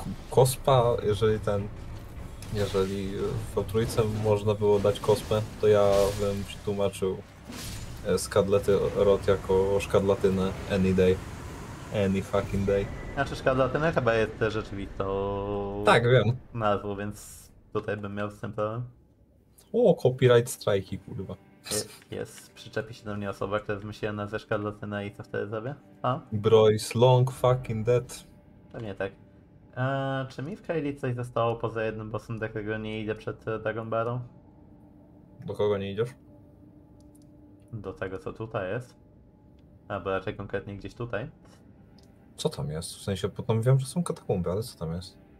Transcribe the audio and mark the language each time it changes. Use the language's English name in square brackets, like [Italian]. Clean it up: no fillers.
[Polish] Kospa, jeżeli ten... Jeżeli w trójce można było dać Kospę, to ja bym przetłumaczył Skadlety Rot jako Szkadlatynę [English] any day. Any fucking day. [Polish] Znaczy Szkadlatynę chyba jest też rzeczywistą... Tak, wiem. ...nazwą, więc tutaj bym miał z tym problem. O, copyright strike, kurwa. Jest, przyczepi się do mnie osoba, która wymyśliła nazwę Szkadlatynę i co wtedy zrobię? A? [English] Bro is long fucking dead. [Polish] Pewnie tak. Czy mi w Kaili coś zostało poza jednym bossem, do którego nie idę przed Dragon Barą? Do kogo nie idziesz? Do tego, co tutaj jest. Albo raczej konkretnie gdzieś tutaj. Co tam jest? W sensie potem wiem, że są katakumby, ale co tam jest?